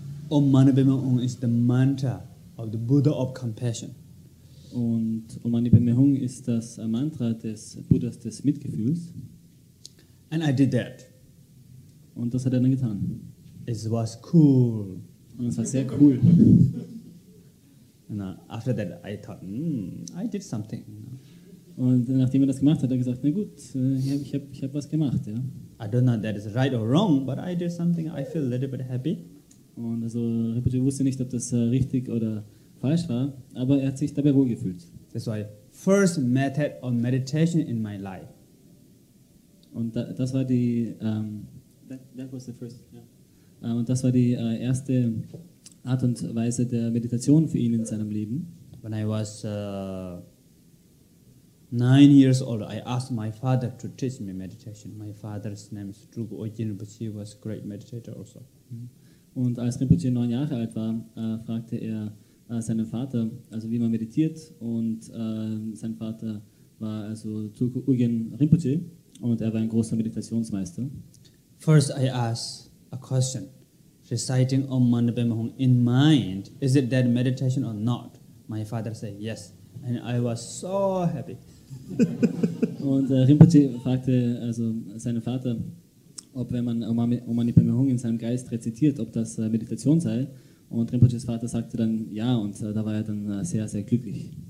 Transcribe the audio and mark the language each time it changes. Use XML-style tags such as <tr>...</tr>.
<en>Om Mani Padme Hum is the mantra of the Buddha of Compassion.</en> <de>Und Om Mani Padme Hum ist das Mantra des Buddhas des Mitgefühls.</de> <en>And I did that.</en> <de>Und das hat er dann getan.</de> <en>It was cool.</en> <de>Und es war sehr cool.</de> <en>And after that I thought, I did something.</en> <de>Und nachdem er das gemacht hat, hat er gesagt, na gut, ich hab was gemacht, ja.</de> <en>I don't know if that is right or wrong, but I did something, I feel a little bit happy.</en> <de>Und also Rinpoche wusste nicht, ob das richtig oder falsch war, aber er hat sich dabei wohl gefühlt.</de> <en>That's why first method of meditation in my life.</en> <de>Und das war die erste Art und Weise der Meditation für ihn in seinem Leben.</de> <en>When I was 9 years old, I asked my father to teach me meditation. My father's name is Drugo Ojin, but he was a great meditator also.</en> <de>Und als Rinpoche 9 Jahre alt war, fragte er seinen Vater, also wie man meditiert, und sein Vater war also Drugo Ojin Rinpoche, und er war ein großer Meditationsmeister.</de> <en>First I asked a question, reciting Om Mani Padme Hum in mind, is it that meditation or not? My father said yes, and I was so happy.</en> <de>Und Rinpoche fragte also seinen Vater, ob wenn man Om Mani Padme Hum in seinem Geist rezitiert, ob das Meditation sei. Und Rinpoches Vater sagte dann ja, und da war er dann sehr, sehr glücklich.</de>